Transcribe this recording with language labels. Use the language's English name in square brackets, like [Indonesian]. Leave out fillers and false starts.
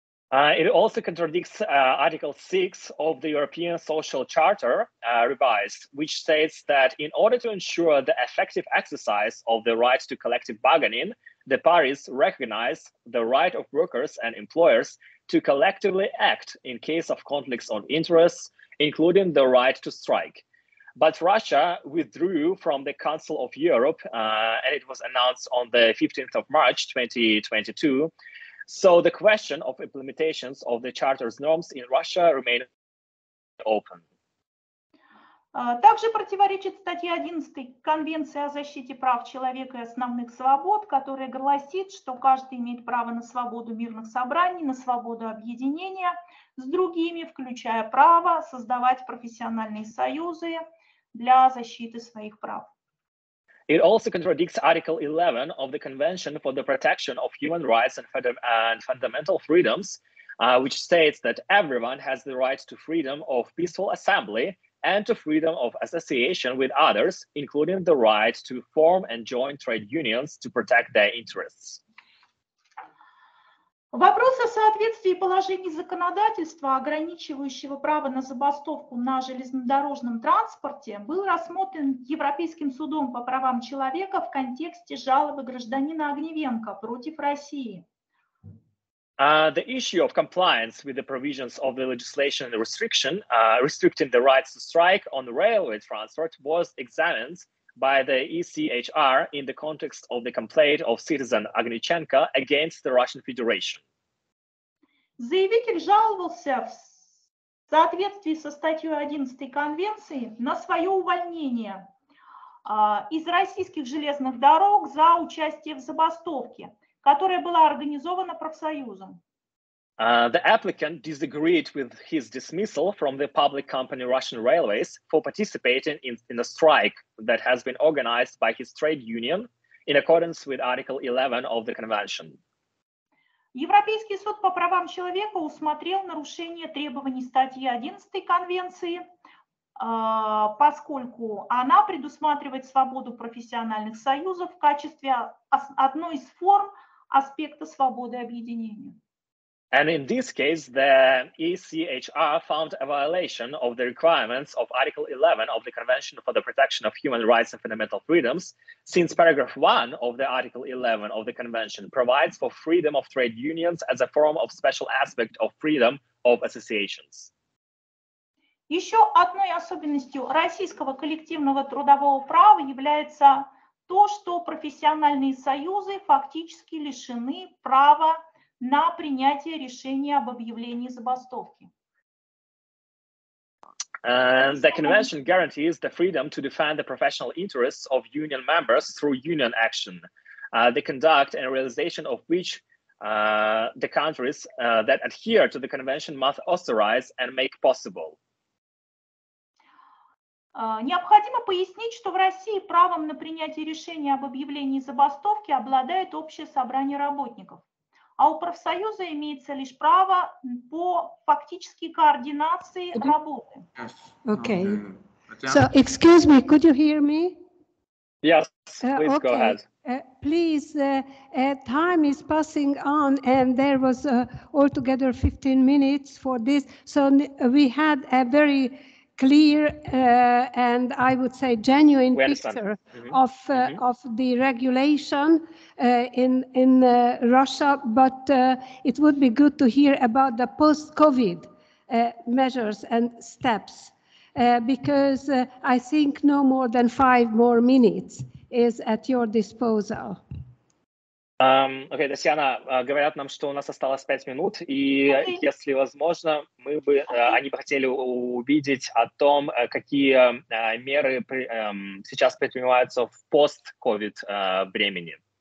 [English] It also contradicts Article 6 of the European Social Charter, revised, which states that in order to ensure the effective exercise of the right to collective bargaining, the parties recognize the right of workers and employers to collectively act in case of conflicts of interests, including the right to strike. But Russia withdrew from the Council of Europe, and it was announced on the 15th of March, 2022, So the question of implementations of the charter's norms in Russia remain open. [Russian] Также противоречит статье 11 Конвенции о защите прав человека и основных свобод, которая гласит, что каждый имеет право на свободу мирных собраний, на свободу объединения с другими, включая право создавать профессиональные союзы для защиты своих прав. [English] It also contradicts Article 11 of the Convention for the Protection of Human Rights and Fundamental Freedoms, which states that everyone has the right to freedom of peaceful assembly and to freedom of association with others, including the right to form and join trade unions to protect their interests. [Russian] Вопрос о соответствии положений законодательства, ограничивающего право на забастовку на железнодорожном транспорте, был рассмотрен Европейским судом по правам человека в контексте жалобы гражданина Огневенко против России. [English] The issue of compliance with the provisions of the legislation and the restriction, restricting the rights to strike on railway transport was examined by the ECHR in the context of the complaint of citizen Agnichenko against the Russian Federation. [Russian] Заявитель жаловался в соответствии со статьей 11 конвенции на свое увольнение из российских железных дорог за участие в забастовке, которая была организована профсоюзом. [English] The applicant disagreed with his dismissal from the public company Russian Railways for participating in a strike that has been organized by his trade union in accordance with Article 11 of the Convention. [Russian] Европейский суд по правам человека усмотрел нарушение требований статьи 11 конвенции, поскольку она предусматривает свободу профессиональных союзов в качестве одной из форм аспекта свободы объединения. [English] And in this case, the ECHR found a violation of the requirements of Article 11 of the Convention for the Protection of Human Rights and Fundamental Freedoms, since paragraph 1 of the Article 11 of the Convention provides for freedom of trade unions as a form of special aspect of freedom of associations. [Russian] Еще одной особенностью российского коллективного трудового права является то, что профессиональные союзы фактически лишены права на принятие решения об объявлении забастовки. [English] And the convention guarantees the freedom to defend the professional interests of union members through union action, the conduct and realization of which the countries that adhere to the convention must authorize and make possible. [Russian] Необходимо пояснить, что в России правом на принятие решения об объявлении забастовки обладает общее собрание работников, а у профсоюза имеется лишь право по фактически координации работы. [English] Okay. So, excuse me, could you hear me? Yes, please go ahead. Please, time is passing on and there was altogether 15 minutes for this, so we had a very clear and I would say genuine picture of the regulation in Russia, but it would be good to hear about the post-COVID measures and steps, because I think no more than 5 more minutes is at your disposal. [Russian] Окей, Татьяна, говорят нам, что у нас осталось 5 минут, и если возможно, мы бы, они бы хотели увидеть о том, какие меры сейчас предпринимаются в пост-ковид времени.